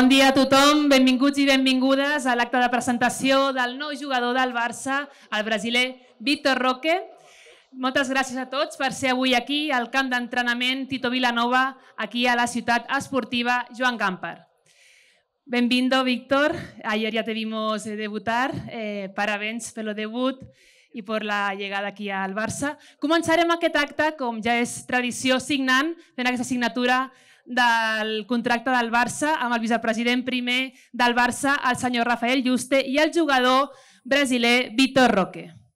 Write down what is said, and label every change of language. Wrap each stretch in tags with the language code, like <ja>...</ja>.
<ca>a tothom, benvinguts i benvingudes a l'acte de presentació del nou jugador del Barça, el brasiler Vitor Roque. Moltes gràcies a tots per ser avui aquí al camp d'entrenament Tito Vilanova, aquí a la ciutat esportiva Joan Gamper.</ca> <es>Bienvenido, Víctor. Ayer ya te vimos debutar. Parabéns por el debut y por la llegada aquí al Barça.</es> <ca>Començarem aquest acte, com ja és tradició, signant, fent aquesta signatura del contracte del Barça amb el vicepresident primer del Barça, el senyor Rafael Juste, i el jugador brasiler Vitor Roque.</ca>